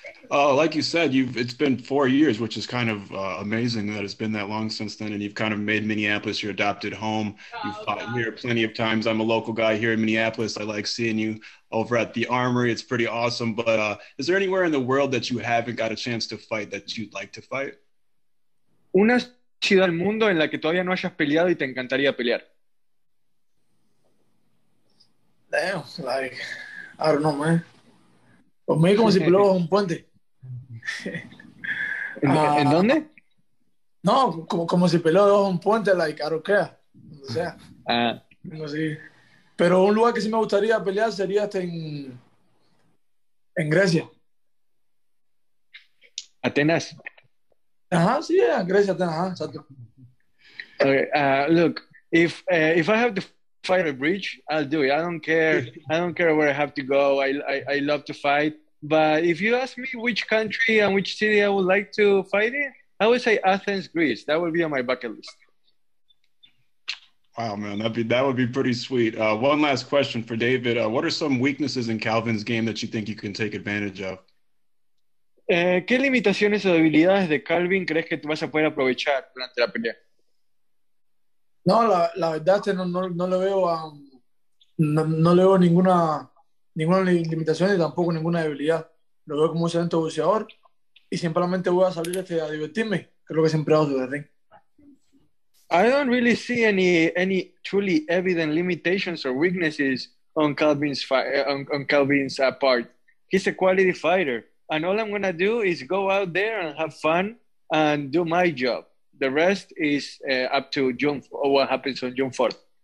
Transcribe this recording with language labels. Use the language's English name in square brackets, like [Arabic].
[English] Like you said, it's been 4 years, which is kind of amazing that it's been that long since then. And you've kind of made Minneapolis your adopted home. You've fought here plenty of times. I'm a local guy here in Minneapolis. I like seeing you over at the Armory. It's pretty awesome. But is there anywhere in the world that you haven't got a chance to fight that you'd like to fight? [Spanish] Una ciudad del mundo en la que todavía no hayas peleado y te encantaría pelear. [English] Damn, like, I don't know, man. [Spanish] Por mí es como si peleaba un puente. ¿En dónde? No, como si peleaba un puente, like, [English] I don't care, [Spanish] donde sea. Ah. No sé. Pero un lugar que sí me gustaría pelear sería hasta en Grecia. Atenas. Grecia Atenas. [English] Okay, look, if I have to fight a bridge, I'll do it. I don't care. I don't care where I have to go. I love to fight. But if you ask me which country and which city I would like to fight in, I would say Athens, Greece. That would be on my bucket list. Wow, man, that would be pretty sweet. One last question for David. What are some weaknesses in Calvin's game that you think you can take advantage of? [Spanish] ¿Qué limitaciones o debilidades de Calvin crees que tú vas a poder aprovechar durante la pelea? No, la verdad es que no le veo ninguna limitación y tampoco ninguna debilidad. Lo veo como un excelente boxeador y simplemente voy a salir a divertirme. Creo que siempre hago de [English] I don't really see any truly evident limitations or weaknesses on Calvin's part. He's a quality fighter, and all I'm gonna do is go out there and have fun and do my job. The rest is up to June, what happens on June 4th.